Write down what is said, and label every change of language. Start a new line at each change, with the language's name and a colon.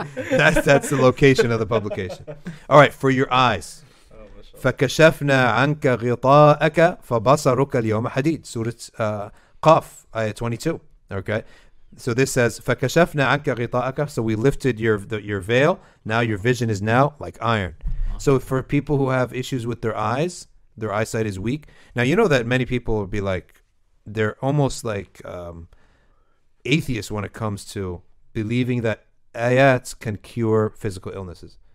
English: That's the location of the publication. All right, for your eyes.
Arabic: فَكَشَفْنَا عَنْكَ غِطَاءَكَ فَبَصَرُكَ الْيَوْمَ حَدِيدٌ
English: Surah Qaf, ayah 22. Okay, so this says
Arabic: فَكَشَفْنَا عَنْكَ غِطَاءَكَ
English: So we lifted your veil. Now your vision is now like iron. So for people who have issues with their eyes, their eyesight is weak. Now you know that many people will be like, they're almost like atheists when it comes to believing that ayats can cure physical illnesses.